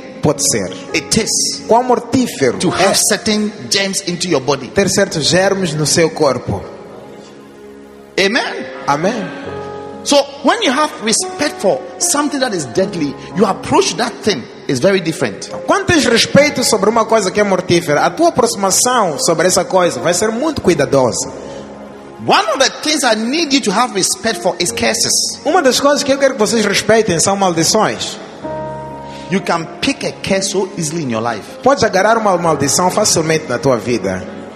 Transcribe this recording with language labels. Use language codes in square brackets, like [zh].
[pt] pode ser. [en] It is [pt] quão mortífero [en] to have certain germs into your body. [pt] Ter certos germes no seu corpo. [en] Amen. [pt] Amen. [en] So when you have respect for something that is deadly, you approach that thing is very different. [pt] Quando tens respeito sobre uma coisa que é mortífera, a tua aproximação sobre essa coisa vai ser muito cuidadosa. [en] One of the things I need you to have respect for is curses. [pt] Uma das coisas que eu quero que vocês respeitem são maldições. [en] You can pick a curse so easily in your life. [pt] Podes agarrar uma maldição facilmente na tua vida.